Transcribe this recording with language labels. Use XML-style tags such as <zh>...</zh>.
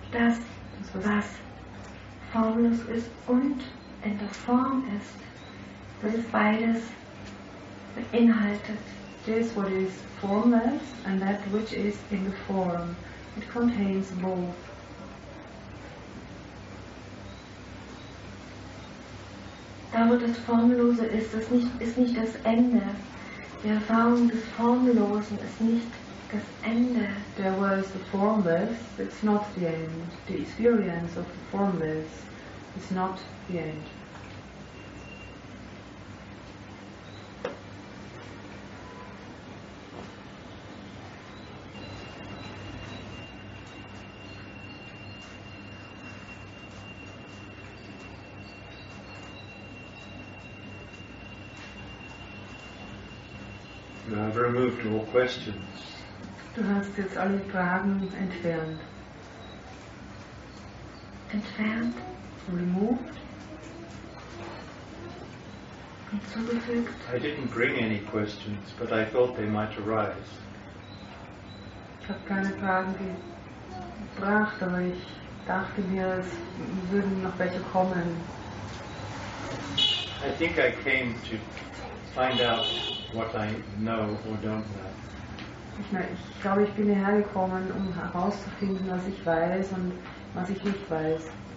<de>Das, was formlos ist und in der Form ist. Das ist beides beinhaltet.</de> <en>This what is formless and that which is in the form. It contains both.</en> <de>Da, wo das Formlose ist, das ist nicht das Ende. Die Erfahrung des Formlosen ist nicht das Ende.</de> <en>There was the formless, it's not the end. The experience of the formless is not the end. You have removed all questions.</en> <de>Du hast jetzt alle Fragen entfernt. Entfernt?</de> <en>Removed?</en> <de>Hinzugefügt?</de> <en>I didn't bring any questions, but I thought they might arise.</en> <de>Ich habe keine Fragen gebracht, aber ich dachte mir, es würden noch welche kommen.</de> <en>I think I came to find out what I know or don't know.</en> <de>Ich glaube, ich bin hierher gekommen, um herauszufinden, was ich weiß und was ich nicht weiß.</de>